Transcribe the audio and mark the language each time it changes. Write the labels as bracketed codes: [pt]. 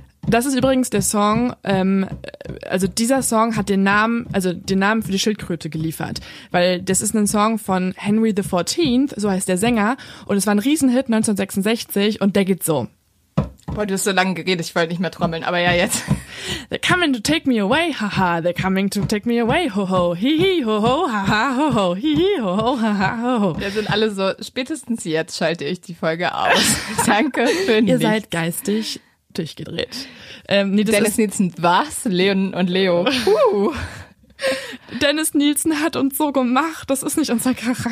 [de] Das ist übrigens der Song, also dieser Song hat den Namen, also den Namen für die Schildkröte geliefert. Weil das ist ein Song von Henry the 14th, so heißt der Sänger. Und es war ein Riesenhit 1966 und der geht so. Boah, du hast so lange geredet, ich wollte nicht mehr trommeln, aber ja, jetzt. [en] They're coming to take me away, haha. They're coming to take me away, ho ho. Hi hi, ho ho, haha, ho ho. Hi hi, ho ho, haha, ho ho. [de] Wir sind alle so, spätestens jetzt schalte ich die Folge aus. Danke für Ihr nichts. Ihr seid geistig durchgedreht. Dennis Nielsen, was? Leon und Leo. Dennis Nielsen hat uns so gemacht, das ist nicht unser Charakter.